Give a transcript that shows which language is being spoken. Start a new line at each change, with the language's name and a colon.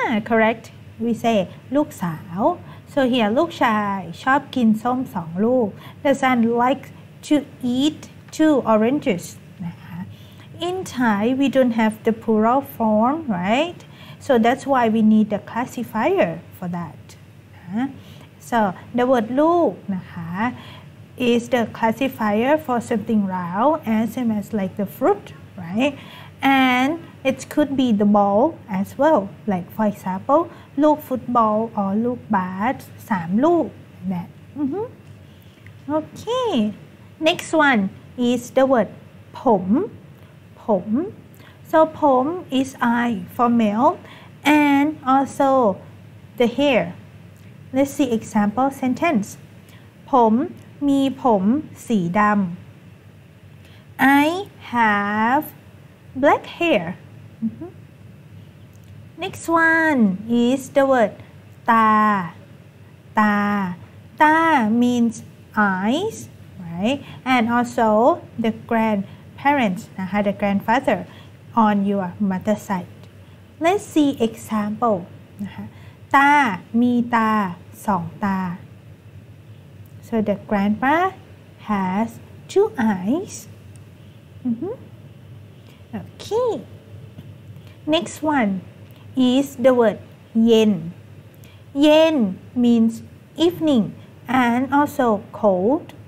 English: correct we say ลูกสาว so here
Thai: ลูกชายชอบกินส้มสองลูก
English: the son likes to eat two oranges นะคะ in Thai we don't have the plural form rightSo that's why we need the classifier for that. So the word ลูกนะคะ is the classifier for something round and same as like the fruit, right? And it could be the ball as well. Like for example, ลูกฟุตบอล or
Thai: ลูกบาส สามลูก
English: that. Okay. Next one is the word ผม ผม So ผม is I for male. And also the hair. Let's see example sentence.
Thai: ผมมีผมสีดำ
English: I have black hair. Next one is the word ตาตาตา means eyes, right? And also the grandparents, the grandfather on your mother's side. Let's see example.
Thai: ตามีตาสองตา
English: So the grandpa has two eyes. Okay. Next one is the word เย็น เย็น means evening and also cold.